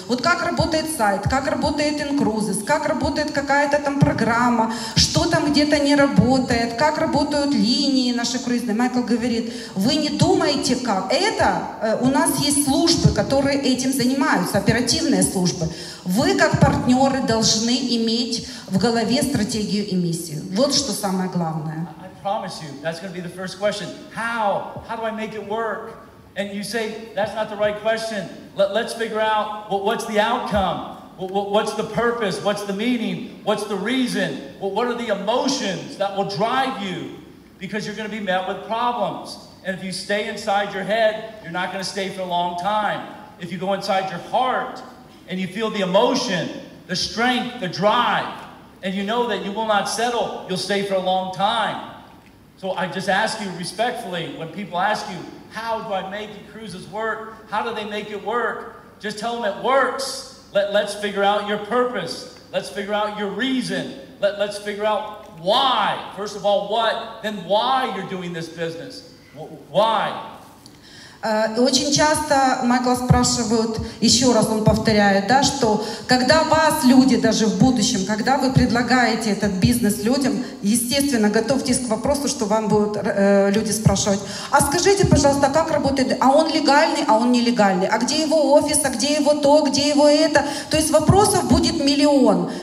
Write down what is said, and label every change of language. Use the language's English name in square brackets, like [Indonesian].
[Russian] Вот как работает сайт, как работает Incruises, как работает какая-то там программа, что там где-то не работает, как работают линии наши круизные. Майкл говорит, вы не думайте как. Это у нас есть службы, которые этим занимаются, оперативные службы. Вы как партнеры должны иметь в голове стратегию и миссию. Вот что самое главное. [English] I promise you, that's going to be the first question. How? How do I make it work? And you say, that's not the right question. Let's figure out what's the outcome? What's the purpose? What's the meaning? What's the reason? What are the emotions that will drive you? Because you're going to be met with problems. And if you stay inside your head, you're not going to stay for a long time. If you go inside your heart and you feel the emotion, the strength, the drive, and you know that you will not settle, you'll stay for a long time. So I just ask you respectfully, when people ask you, how do I make Incruises work? How do they make it work? Just tell them it works. Let's figure out your purpose. Let's figure out your reason. Let's figure out why. First of all, what? Then why you're doing this business. Why? [Russian] Очень часто Майкла спрашивают, еще раз он повторяет, да, что когда вас люди, даже в будущем, когда вы предлагаете этот бизнес людям, естественно, готовьтесь к вопросу, что вам будут люди спрашивать, а скажите, пожалуйста, как работает, а он легальный, а он нелегальный, а где его офис, а где его то, где его это, то есть вопросов будет миллион.